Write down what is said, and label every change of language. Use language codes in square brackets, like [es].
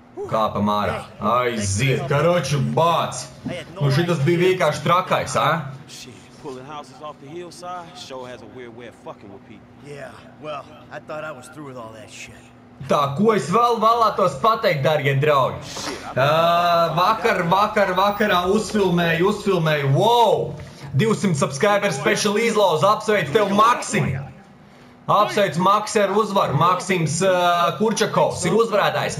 [lv] Kā pa mārā, aiziet, karoču, bāc! Nu šitas bija vienkārši trakais, a? [en] Pulling houses off the hillside, show has a weird way of fucking with people. Yeah, well, I thought I was through with all that shit. [lv] Tā, ko es vēl vēlētos pateikt, dargie draugi? Vakarā uzfilmēju, wow! [en] 200 subscriber special [lv] izlauz, apsveic tev Maksimi! Apsveic Maksi ar uzvaru, Maksims Kurčakovs ir uzvarētājs.